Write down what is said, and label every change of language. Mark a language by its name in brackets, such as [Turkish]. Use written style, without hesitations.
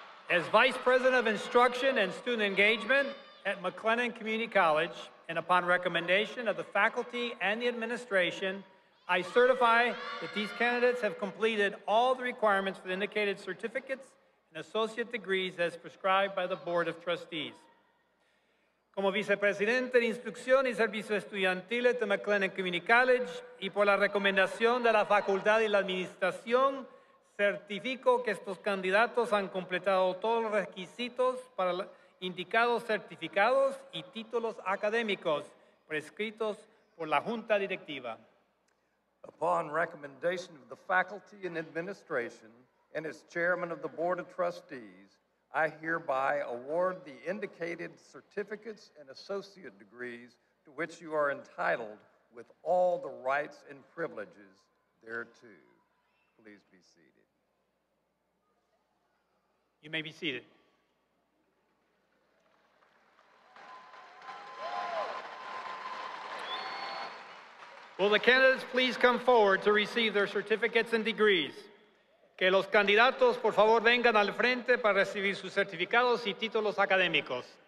[English] As Vice President of Instruction and Student Engagement at McLennan Community College, and upon recommendation of the faculty and the administration, I certify that these candidates have completed all the requirements for the indicated certificates and associate degrees as prescribed by the Board of Trustees. [Spanish] Como vicepresidente de Instrucción y Servicio Estudiantil de McLennan Community College, y por la recomendación de la Facultad y la Administración, certifico que estos candidatos han completado todos los requisitos para la, indicados certificados y títulos académicos prescritos por la Junta Directiva. [English] Upon recommendation of the faculty and administration and as chairman of the Board of Trustees, I hereby award the indicated certificates and associate degrees to which you are entitled with all the rights and privileges thereto. Please be seated. You may be seated. Will the candidates please come forward to receive their certificates and degrees? [Spanish] Que los candidatos, por favor, vengan al frente para recibir sus certificados y títulos académicos.